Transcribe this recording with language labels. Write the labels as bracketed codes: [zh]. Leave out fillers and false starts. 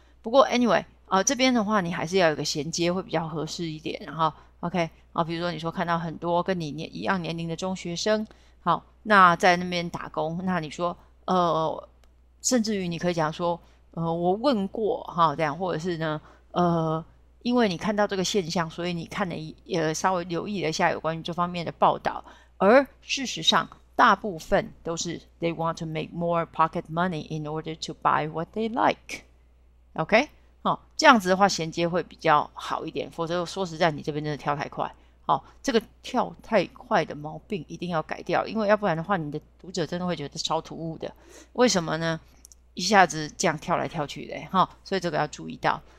[zh] 不过，anyway，这边的话你还是要有个衔接会比较合适一点，然后，OK，比如说你说看到很多跟你一样年龄的中学生，好，那在那边打工，那你说，甚至于你可以讲说，我问过，哈，这样，或者是呢，因为你看到这个现象，所以你看了稍微留意了一下有关于这方面的报道，而事实上。大部分都是 [en] they want to make more pocket money in order to buy what they like。 [zh] OK，好，这样子的话衔接会比较好一点，否则说实在你这边真的跳太快。好，这个跳太快的毛病一定要改掉，因为要不然的话你的读者真的会觉得超突兀的。为什么呢？一下子这样跳来跳去的，哈，所以这个要注意到。